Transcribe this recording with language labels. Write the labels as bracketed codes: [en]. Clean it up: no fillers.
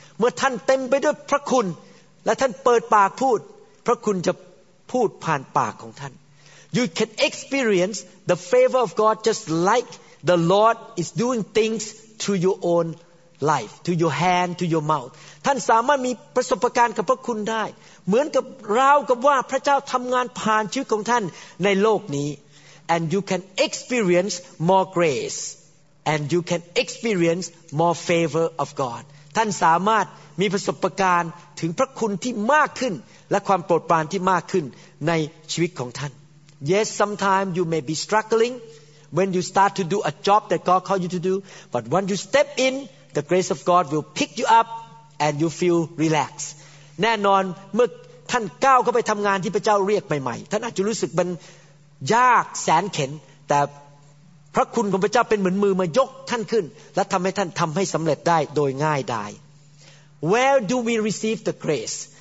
[th] เมื่อท่านเต็มไปด้วยพระคุณและท่านเปิดปากพูดพระคุณจะพูดผ่านปากของท่าน [en] You can experience the favor of God just like the Lord is doing things through your own life, through your hand, through your mouth. [th] ท่านสามารถมีประสบการณ์กับพระคุณได้เหมือนกับราวกับว่าพระเจ้าทำงานผ่านชีวิตของท่านในโลกนี้ [en] And you can experience more grace. And you can experience more favor of God. [th] ท่านสามารถมีประสบการณ์ถึงพระคุณที่มากขึ้นและความโปรดปรานที่มากขึ้นในชีวิตของท่าน [en] Yes, sometimes you may be struggling when you start to do a job that God called you to do. But when you step in, the grace of God will pick you up and you feel relaxed. [th] แน่นอนเมื่อท่านก้าวเข้าไปทำงานที่พระเจ้าเรียกใหม่ๆท่านอาจจะรู้สึกมันยากแสนเข็ญแต่พระคุณของพระเจ้าเป็นเหมือนมือมายกท่านขึ้นและทำให้ท่านทำให้สำเร็จได้โดยง่ายดาย [en] Where do we receive the grace?